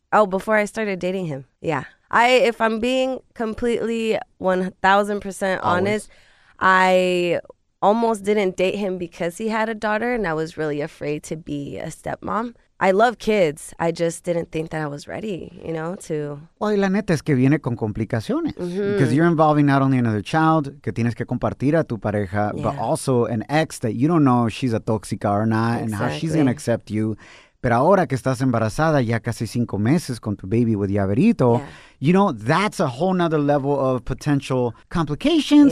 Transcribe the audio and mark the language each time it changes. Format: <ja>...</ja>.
<en>Oh, before I started dating him. Yeah. If I'm being completely 1,000% honest, I almost didn't date him because he had a daughter and I was really afraid to be a stepmom. I love kids. I just didn't think that I was ready, you know, to...</en> <es>Well, y la neta es que viene con complicaciones.</es> <en>Mm-hmm. Because you're involving not only another child,</en> <es>que tienes que compartir a tu pareja,</es> <en>yeah. but also an ex that you don't know if she's a tóxica or not exactly. and how she's going to accept you.</en> <es>Pero ahora que estás embarazada ya casi 5 meses con tu</es> <en>baby with</en> <es>Yaverito, yeah.</es> <en>you know, that's a whole nother level of potential complications,</en>